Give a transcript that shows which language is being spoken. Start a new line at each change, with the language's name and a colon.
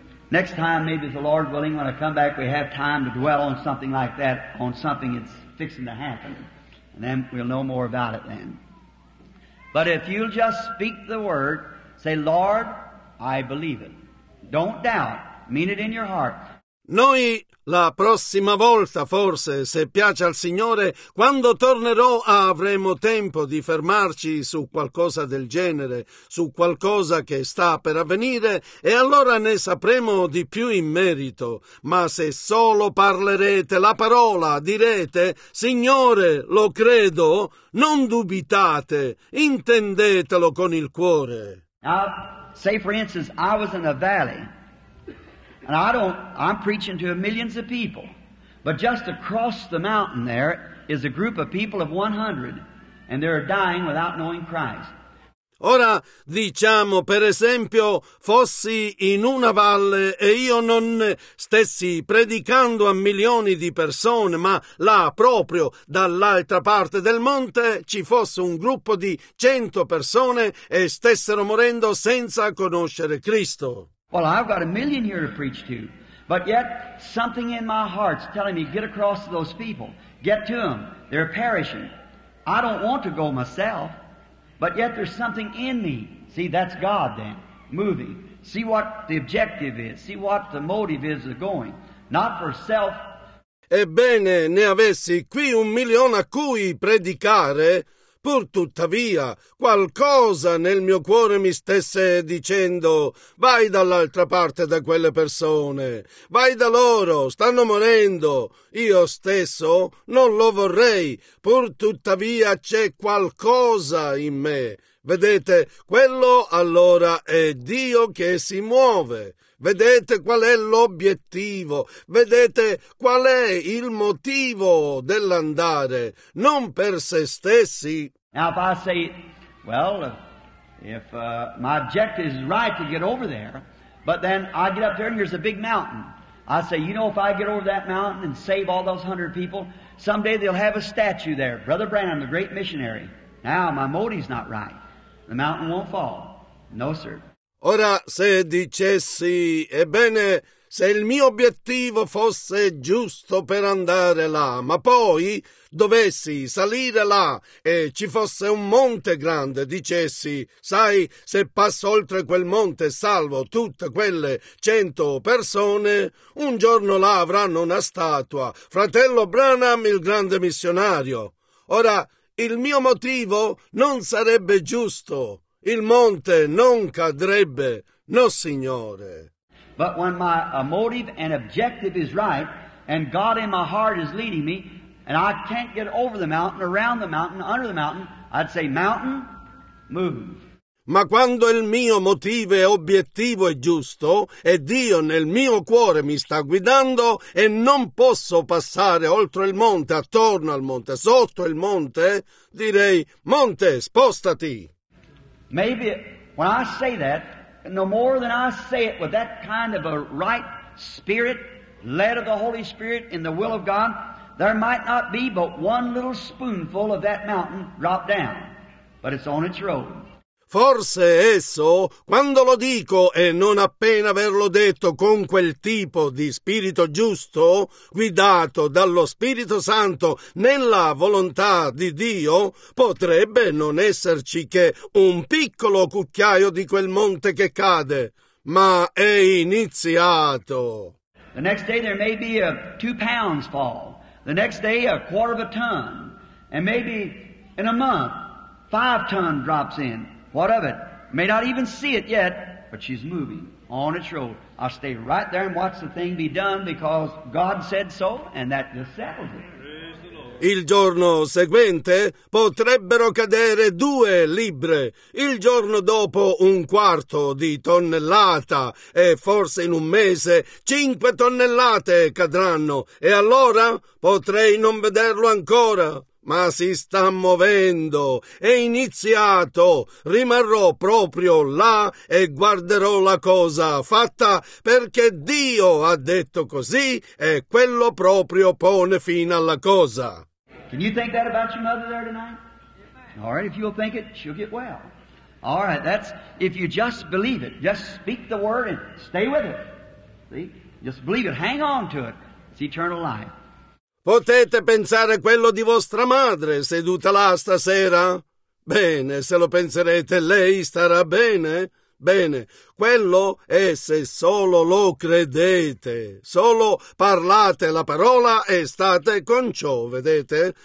English: Next time, maybe the Lord willing, when I come back, we have time to dwell on something like that, on something that's fixing to happen. And then we'll know more about it then. But if you'll just speak the word, say, Lord, I believe it. Don't doubt. Mean it in your heart.
Italian: Noi la prossima volta, forse, se piace al Signore, quando tornerò avremo tempo di fermarci su qualcosa del genere, su qualcosa che sta per avvenire, e allora ne sapremo di più in merito. Ma se solo parlerete la parola, direte, Signore, lo credo, non dubitate, intendetelo con il cuore.
English: Now, say for instance, I was in a valley. And I'm preaching to millions of people. But just across the mountain there is a group of people of 100, and they're dying without knowing Christ.
Italian: Ora, diciamo, per esempio, fossi in una valle e io non stessi predicando a milioni di persone, ma là proprio dall'altra parte del monte ci fosse un gruppo di 100 persone e stessero morendo senza conoscere Cristo.
English: Well, I've got a million here to preach to, but yet something in my heart's telling me, get across to those people, get to them, they're perishing. I don't want to go myself, but yet there's something in me. See, that's God then, moving. See what the objective is, see what the motive is of going, not for self.
Italian: Ebbene, ne avessi qui un milione a cui predicare, pur tuttavia, qualcosa nel mio cuore mi stesse dicendo, vai dall'altra parte da quelle persone, vai da loro, stanno morendo, io stesso non lo vorrei, pur tuttavia c'è qualcosa in me. Vedete, quello allora è Dio che si muove. Vedete qual è l'obiettivo, vedete qual è il motivo dell'andare, non per se stessi.
English: Now if I say, well, if my objective is right to get over there, but then I get up there and there's a big mountain. I say, you know, if I get over that mountain and save all those 100 people, someday they'll have a statue there. Brother Branham, the great missionary. Now my motive's not right. The mountain won't fall. No, sir.
Italian: Ora, se dicessi, ebbene, se il mio obiettivo fosse giusto per andare là, ma poi dovessi salire là e ci fosse un monte grande, dicessi, sai, se passo oltre quel monte e salvo tutte quelle 100 persone, un giorno là avranno una statua, fratello Branham, il grande missionario. Ora, il mio motivo non sarebbe giusto. Il monte non cadrebbe, no Signore.
English: But when my motive and objective is right, and God in my heart is leading me, and I can't get over the mountain, around the mountain, under the mountain, I'd say, mountain, move.
Italian: Ma quando il mio motivo e obiettivo è giusto, e Dio nel mio cuore mi sta guidando, e non posso passare oltre il monte, attorno al monte, sotto il monte, direi, monte, spostati.
English: Maybe when I say that, no more than I say it with that kind of a right spirit, led of the Holy Spirit in the will of God, there might not be but one little spoonful of that mountain drop down, but it's on its road.
Italian: Forse esso, quando lo dico e non appena averlo detto con quel tipo di spirito giusto, guidato dallo Spirito Santo nella volontà di Dio, potrebbe non esserci che un piccolo cucchiaio di quel monte che cade, ma è iniziato.
English: The next day there may be a 2 pounds fall, The next day, a quarter of a ton. And maybe in a month, 5 ton drops in. What of it? May not even see it yet, but she's moving on its road. I'll stay right there and watch the thing be done because God said so, and that just settles it.
Italian: Il giorno seguente potrebbero cadere 2 libbre, il giorno dopo 1/4 di tonnellata e forse in 1 mese 5 tonnellate cadranno e allora potrei non vederlo ancora. Ma si sta muovendo, è iniziato, rimarrò proprio là e guarderò la cosa fatta perché Dio ha detto così e quello proprio pone fine alla cosa.
English: Can you think that about your mother there tonight? All right, if you'll think it, she'll get well. All right, that's, if you just believe it, just speak the word and stay with it. See, just believe it, hang on to it, it's eternal life.
Italian: Potete pensare quello di vostra madre seduta là stasera? Bene, se lo penserete, lei starà bene? Bene, quello è se solo lo credete. Solo parlate la parola e state con ciò, vedete?